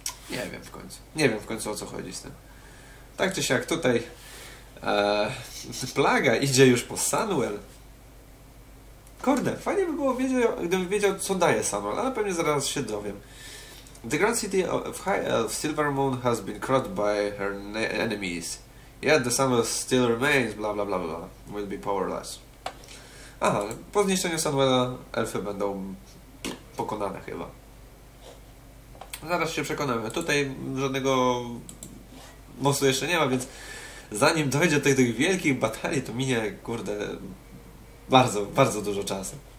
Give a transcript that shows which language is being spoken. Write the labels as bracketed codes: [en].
[pl] Nie wiem w końcu. Nie wiem w końcu, o co chodzi z tym. Tak czy siak, tutaj... plaga idzie już po Sunwell. Kurde, fajnie by było, gdybym wiedział, co daje Sunwell, ale pewnie zaraz się dowiem. [en] The Grand City of High Elf Silvermoon has been crushed by her enemies. Yet the Sunwell still remains, bla bla bla bla. Will be powerless. [pl] Aha, po zniszczeniu Sunwella elfy będą pokonane chyba. Zaraz się przekonamy. Tutaj żadnego mostu jeszcze nie ma, więc zanim dojdzie do tych wielkich batalii, to minie, kurde, bardzo, bardzo dużo czasu.